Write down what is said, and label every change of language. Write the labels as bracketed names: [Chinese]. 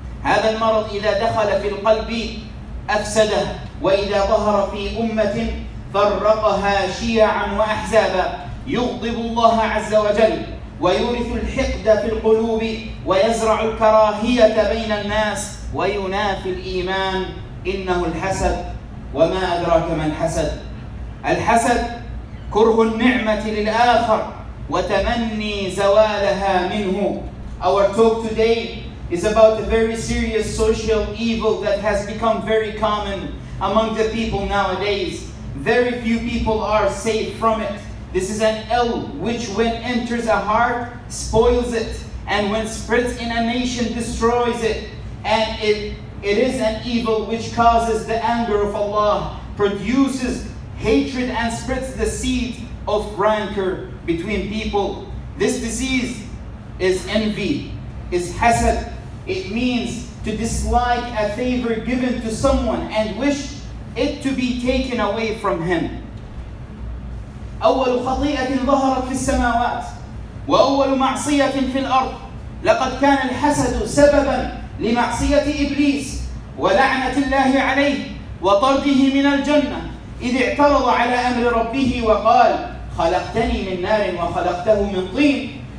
[Arabic] هذا المرض إذا دخل في القلب أفسده، وإذا ظهر في أمة فرقها شيعا وأحزابا، يغضب الله عز وجل ويورث الحقد في القلوب، ويزرع الكراهية بين الناس، وينافي الإيمان. إنه الحسد، وما أدراك ما الحسد؟ الحسد كره النعمة للآخر وتمني زوالها منه. [English] Our talk today is about a very serious social evil that has become very common among the people nowadays. Very few people are safe from it. This is an ill which, when enters a heart, spoils it, and when spreads in a nation, destroys it. And it is an evil which causes the anger of Allah, produces hatred, and spreads the seed of rancor between people. This disease is envy, is hasad. It means to dislike a favor given to someone and wish it to be taken away from him. [Arabic] أول خطيئة ظهرت في السماوات وأول معصية في الأرض. لقد كان الحسد سببا لمعصية إبليس ولعنة الله عليه وطرده من الجنة، إذ اعترض على أمر ربه وقال: خلقتني من نار وخلقته من طين.